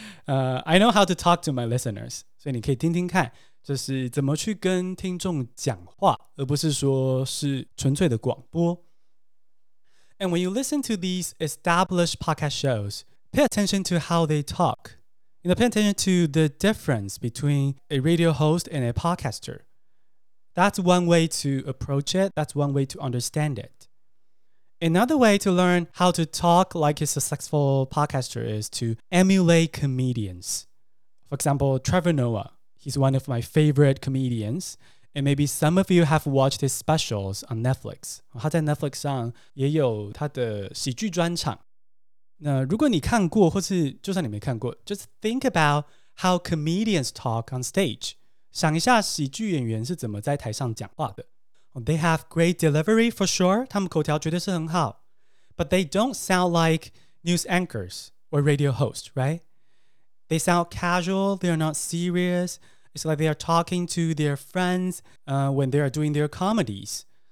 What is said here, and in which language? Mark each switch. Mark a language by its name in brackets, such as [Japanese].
[English] I know how to talk to my listeners. [Chinese] 所以你可以听听看就是怎么去跟听众讲话而不是说是纯粹的广播。 [English] And when you listen to these established podcast shows, pay attention to how they talk. You know, pay attention to the difference between a radio host and a podcaster. That's one way to approach it. That's one way to understand it. Another way to learn how to talk like a successful podcaster is to emulate comedians. For example, Trevor Noah. He's one of my favorite comedians. And maybe some of you have watched his specials on Netflix. [Chinese] 他在 Netflix 上也有他的喜剧专场。那如果你看过或是就算你没看过 [English] just think about how comedians talk on stage. [Chinese] 想一下喜剧演员是怎么在台上讲话的。 [English] They have great delivery for sure, [Chinese] 他们口条绝对是很好。 [English] But they don't sound like news anchors or radio hosts, right? They sound casual, they're not serious. It's like they are talking to their friends, when they are doing their comedies.